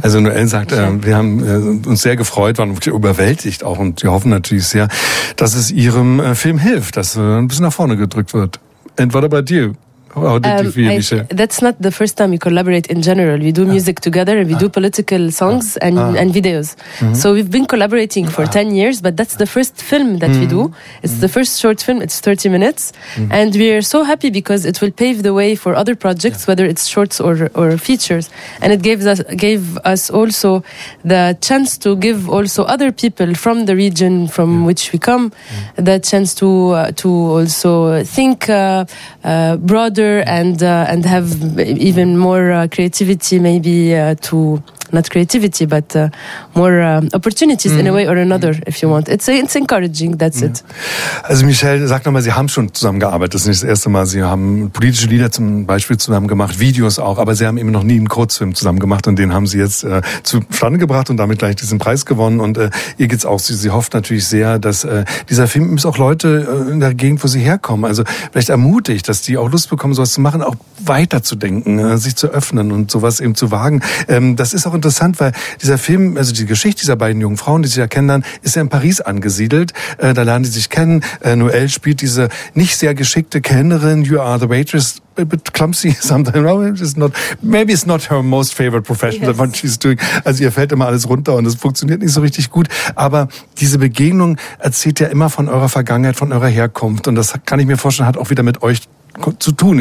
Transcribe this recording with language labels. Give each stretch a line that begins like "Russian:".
German: Also Noel sagt, wir haben uns sehr gefreut, waren wirklich überwältigt auch und wir hoffen natürlich sehr, dass es ihrem Film hilft, dass ein bisschen nach vorne gedrückt wird.
English: And what about you? How did you feel, Michel? That's not the first time we collaborate in general. We do music together and we do political songs and videos. Mm-hmm. So we've been collaborating for 10 years, but that's the first film that we do. It's the first short film. It's 30 minutes. Mm-hmm. And we are so happy because it will pave the way for other projects, whether it's shorts or features. And it gave us also the chance to give also other people from the region from which we come the chance to also think broad and have even more creativity, maybe more opportunities in a way or another, if you want. It's encouraging, that's it.
German: Also Michel, sag nochmal, Sie haben schon zusammengearbeitet, das ist nicht das erste Mal, Sie haben politische Lieder zum Beispiel zusammen gemacht, Videos auch, aber Sie haben eben noch nie einen Kurzfilm zusammen gemacht und den haben Sie jetzt zustande gebracht und damit gleich diesen Preis gewonnen und ihr geht's auch, sie hofft natürlich sehr, dass dieser Film ist auch Leute in der Gegend, wo Sie herkommen, also vielleicht ermutigt, dass die auch Lust bekommen, sowas zu machen, auch weiterzudenken, sich zu öffnen und sowas eben zu wagen. Das ist auch interessant, weil dieser Film, also die Geschichte dieser beiden jungen Frauen, die sich ja kennenlernen, ist ja in Paris angesiedelt. Da lernen die sich kennen. Noel spielt diese nicht sehr geschickte Kellnerin.
English: You are the waitress. A bit clumsy sometimes. Maybe it's not her most favorite profession, yes, that she's doing.
German: Also ihr fällt immer alles runter und es funktioniert nicht so richtig gut. Aber diese Begegnung erzählt ja immer von eurer Vergangenheit, von eurer Herkunft. Und das kann ich mir vorstellen, hat auch wieder mit euch zu tun.